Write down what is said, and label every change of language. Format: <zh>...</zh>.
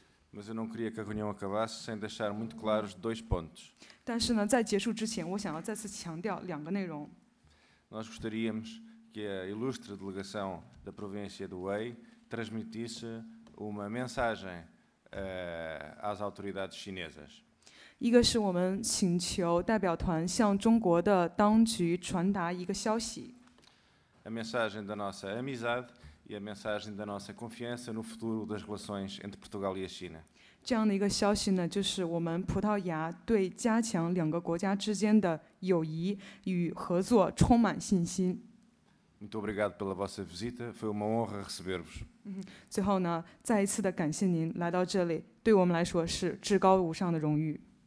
<pt>Mas eu não queria que a reunião acabasse sem deixar muito claros 2 pontos.</pt> <zh>但是呢，在结束之前，我想要再次强调2个内容。</zh> <pt>Nós gostaríamos que a ilustre delegação da província do Hubei transmitisse uma mensagem às autoridades chinesas.</pt> <zh>一个是我们请求代表团向中国的当局传达一个消息。</zh> <pt>A mensagem da nossa amizade e a mensagem da nossa confiança no futuro das relações entre Portugal e a China.</pt> <zh>这样的一个消息呢，就是我们葡萄牙对加强两个国家之间的友谊与合作充满信心。</zh> <pt>Muito obrigado pela vossa visita. Foi uma honra receber-vos.</pt> <zh>最后呢，再一次的感谢您来到这里，对我们来说是至高无上的荣誉。</zh>